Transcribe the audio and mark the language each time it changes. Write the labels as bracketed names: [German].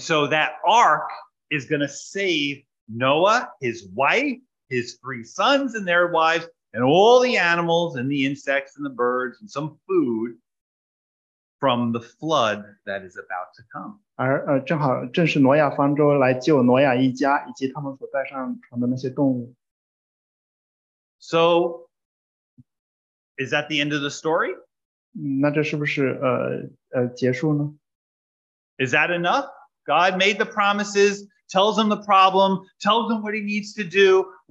[English] so that ark is going to save Noah, his wife, his three sons, and their wives. And all the animals and the insects and the birds and some food from the flood that is about to come. [Chinese] 而正好正是挪亚方舟来救挪亚一家以及他们所带上船的那些动物。 [English] So, is that the end of the story? [Chinese] 那这是不是结束呢? [English] Is that enough? God made the promises, tells him the problem, tells him what he needs to do.